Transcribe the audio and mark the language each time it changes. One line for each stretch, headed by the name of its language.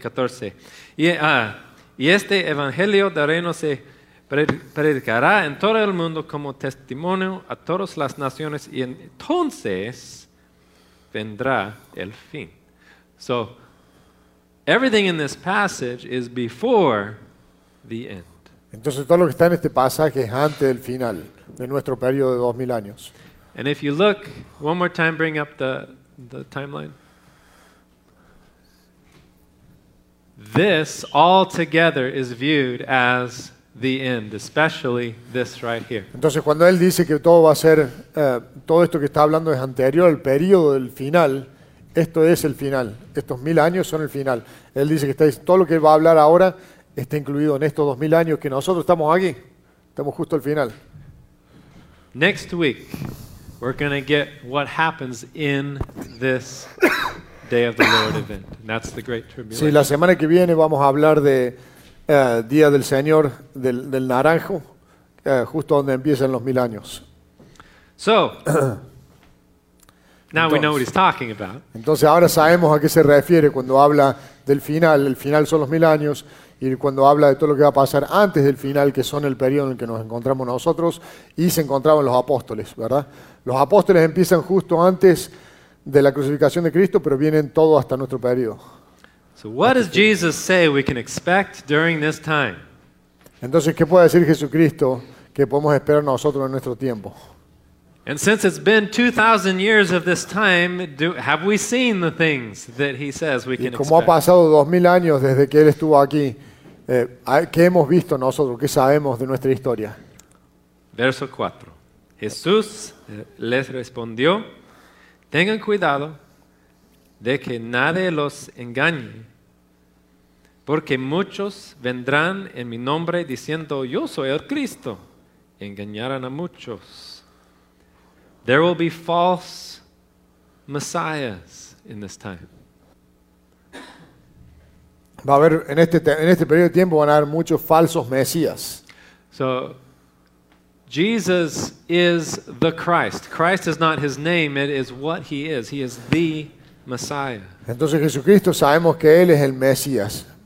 Spanish: Verso 14. Y este evangelio del reino se predicará en todo el mundo como testimonio a todas las naciones, y entonces vendrá el fin.
English: So, everything in this passage is before the end.
Spanish: Entonces, todo lo que está en este pasaje es antes del final de nuestro periodo de 2000 años.
English: And if you look, one more time, bring up the timeline. This all together is viewed as the end, especially this right here.
Spanish: Entonces, cuando él dice que todo va a ser, todo esto que está hablando es anterior al periodo del final, esto es el final. Estos mil años son el final. Él dice que todo lo que él va a hablar ahora está incluido en estos 2000 años que nosotros estamos aquí. Estamos justo al final.
English: Next week, we're going to get what happens in this Day of the Lord event. And that's the Great Tribulation.
Spanish: Sí, la semana que viene vamos a hablar de Día del Señor, del Naranjo, justo donde empiezan los mil años.
English: So, now we know what he's talking about.
Spanish: Entonces, ahora sabemos a qué se refiere cuando habla del final. El final son los mil años. Y cuando habla de todo lo que va a pasar antes del final, que son el periodo en el que nos encontramos nosotros, y se encontraban los apóstoles, ¿verdad? Los apóstoles empiezan justo antes de la crucificación de Cristo, pero vienen todo hasta nuestro periodo.
English: So what does Jesus say we can expect during this time?
Spanish: Entonces, ¿qué puede decir Jesucristo que podemos esperar nosotros en nuestro tiempo?
English: And since it's been 2,000 years of this time, have we seen the things that he says we can expect?
Spanish: Y como ha pasado 2,000 años desde que él estuvo aquí, ¿qué hemos visto nosotros? ¿Qué sabemos de nuestra historia? Verso 4. Jesús les respondió: tengan cuidado de que nadie los engañe, porque muchos vendrán en mi nombre diciendo, yo soy el Cristo. Engañarán a muchos.
English: There will be false messiahs in this time.
Spanish: Va a haber en este periodo de tiempo van a haber muchos falsos mesías.
English: So Jesus is the Christ. Christ is not his name, it is what he is. He is the Messiah.
Spanish: Entonces Jesucristo sabemos que él es el Mesías.